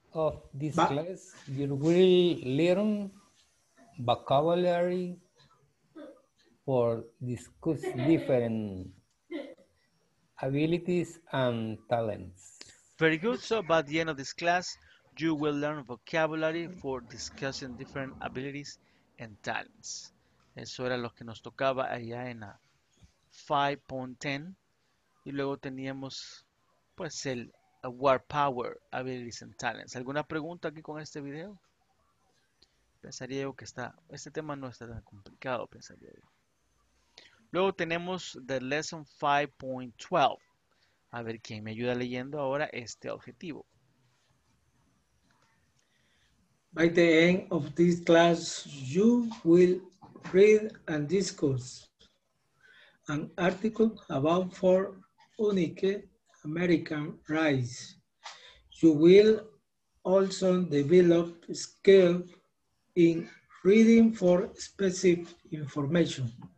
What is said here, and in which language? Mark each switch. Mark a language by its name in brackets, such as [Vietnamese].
[English] Of this class, you will learn vocabulary for discuss different abilities and talents. Very good. So by the end of this class, you will learn vocabulary for discussing different abilities and talents. [Spanish] Eso era lo que nos tocaba allá en 5.10. Y luego teníamos, pues, el War Power, Abilities and Talents. ¿Alguna pregunta aquí con este video? Pensaría yo que está... Este tema no está tan complicado, pensaría yo. Luego tenemos The Lesson 5.12. A ver quién me ayuda leyendo ahora este objetivo. [English] By the end of this class, you will read and discuss an article about four unique American rice. You will also develop skill in reading for specific information.